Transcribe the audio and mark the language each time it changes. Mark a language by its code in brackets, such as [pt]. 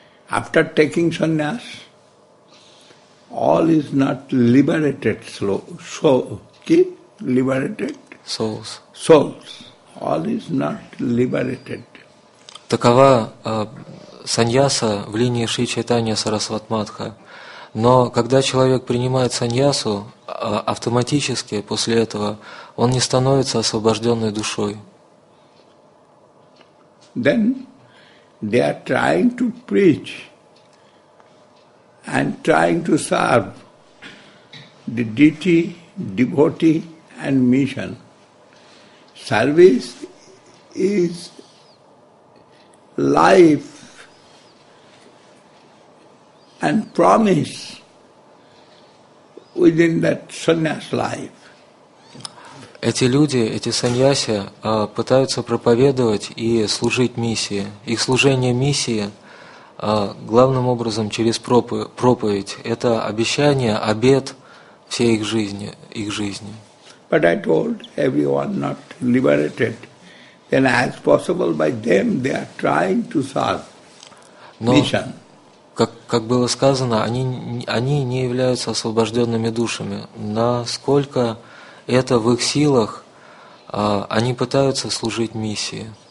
[en] After taking sannyas, all is not liberated souls. All is not liberated. [ru] Такова саньяса в линии Шри Чайтанья Сарасватматха. Но когда человек принимает саньясу, автоматически после этого он не становится освобожденной душой. [en] Then they are trying to preach and trying to serve the deity, devotee and mission. Service is life and promise within that sannyas life. [ru] Эти люди, эти саньяси, пытаются проповедовать и служить миссии. Их служение миссии главным образом через проповедь. Это обещание, обет всей их жизни. [en] But I told everyone not liberated. Then as possible by them, they are trying to serve mission. [ru] Как было сказано, они не являются освобожденными душами. Насколько это в их силах, они пытаются служить миссии.